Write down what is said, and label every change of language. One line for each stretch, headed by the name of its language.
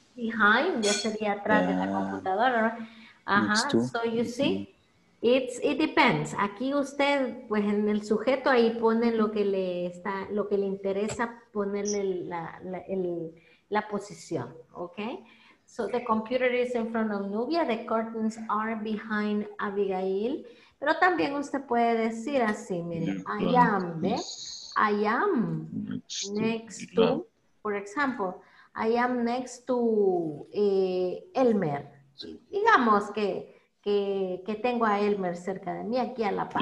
Spanish: Behind, yo sería atrás de la computadora, ¿no? Ajá,
English: so you see, it depends.
Spanish: Aquí usted, pues en el sujeto ahí pone lo que le está, lo que le interesa ponerle la posición, ¿ok?
English: So the computer is in front of Nubia, the curtains are behind Abigail.
Spanish: Pero también usted puede decir así, mire,
English: I am,
Spanish: ¿ve?
English: I am next to, for example, I am next to Elmer.
Spanish: Digamos que tengo a Elmer cerca de mí, aquí a la par.